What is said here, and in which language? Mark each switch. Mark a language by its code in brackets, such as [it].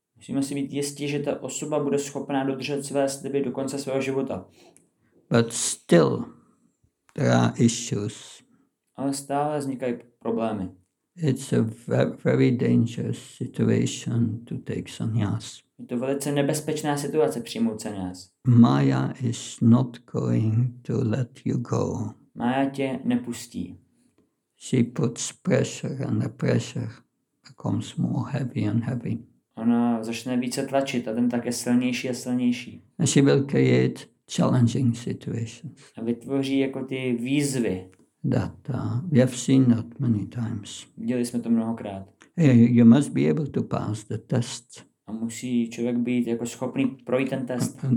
[cs] Musíme si být jistí, že ta osoba bude schopná dodržet své sliby do konce svého života. [en] But still there are issues. [cs] Ale stále vznikají problémy. [en] It's a very dangerous situation to take sannyas. [cs] Je to velice nebezpečná situace přijmout sannyas. [en] Maya is not going to let you go. [cs] Maya tě nepustí. [en] She puts pressure and the pressure becomes more heavy and heavy. [cs] Ona začne více tlačit a ten tak je silnější a silnější. [en] And she will create challenging situations. [cs] A vytvoří jako ty výzvy. [en] That we have seen that many times. [cs] Viděli jsme to mnohokrát. [en] You must be able to pass the test. [cs] A musí člověk být jako schopný projít ten test.